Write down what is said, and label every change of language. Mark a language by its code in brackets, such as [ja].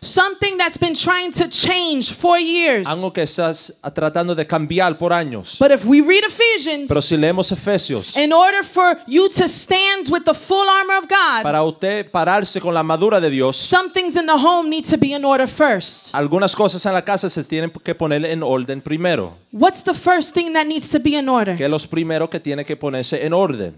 [en] Something that's been trying to change for years. [es] Algo que estás tratando de cambiar por años. [en] But if we read Ephesians, [es] pero si leemos Efesios, [en] in order for you to stand with the full armor of God, [es] para usted pararse con la armadura de Dios, [en] some things in the home need to be in order first. [es] Algunas cosas en la casa se tienen que poner en orden primero. [en] What's the first thing that needs to be in order? [es] ¿Qué es lo primero que tiene que ponerse en orden?